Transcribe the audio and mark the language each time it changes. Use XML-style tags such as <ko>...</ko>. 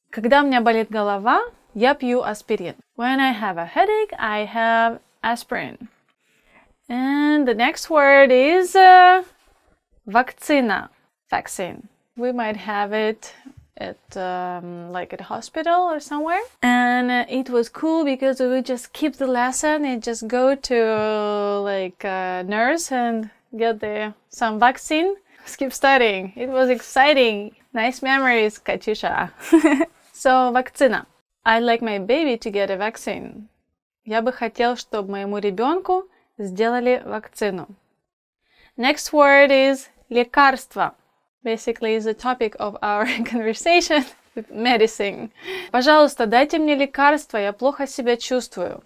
<ru>Когда у меня болит голова, я пью аспирин.</ru> <en>When I have a headache, I have aspirin. And the next word is</en> <ru>вакцина.</ru> <en>Vaccine. We might have it at like at hospital or somewhere. And it was cool because we would just keep the lesson and just go to like a nurse and get the some vaccine. Skip studying. It was exciting. Nice memories, Katyusha. So, вакцина. I'd like my baby to get a vaccine.</en> <ru>Я бы хотел, чтобы моему ребенку сделали вакцину.</ru> <en>Next word is лекарство. Basically, it's the topic of our conversation, medicine.</en> <ru>Пожалуйста, дайте мне лекарство, я плохо себя чувствую.</ru>